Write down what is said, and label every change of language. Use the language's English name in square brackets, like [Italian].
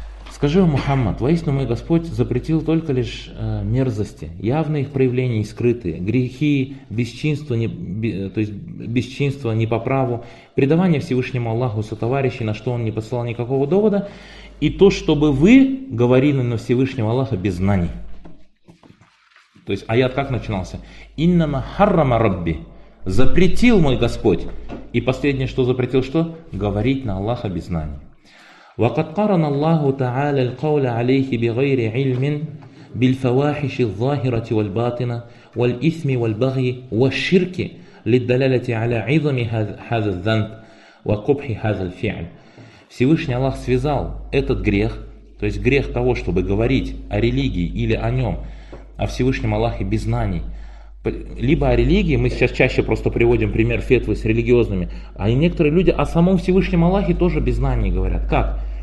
[Russian] Скажи, Мухаммад, воистину мой Господь запретил только лишь мерзости, явные их проявления и скрытые, грехи, бесчинство, бесчинство не по праву, предавание Всевышнему Аллаху сотоварищей, на что он не посылал никакого довода, и то, чтобы вы говорили на Всевышнего Аллаха без знаний. То есть аят как начинался? [Arabic] «Иннама харрама Рабби» [Russian] – запретил мой Господь. И последнее, что запретил, что? Говорить на Аллаха без знаний. [Arabic] وقد قرن الله تعالى القول عليه بغير علم بالفواحش الظاهرة والباطنة والإثم والبغي والشرك للدلالة على عظم هذا الذنب وقبح هذا الفعل. [Russian] Всевышний Аллах связал этот грех, то есть грех того, чтобы говорить о религии или о нем, о Всевышнем Аллахе без знаний, либо о религии, мы сейчас чаще просто приводим пример фетвы с религиозными, а и некоторые люди о самом Всевышнем Аллахе тоже без знаний говорят. Как?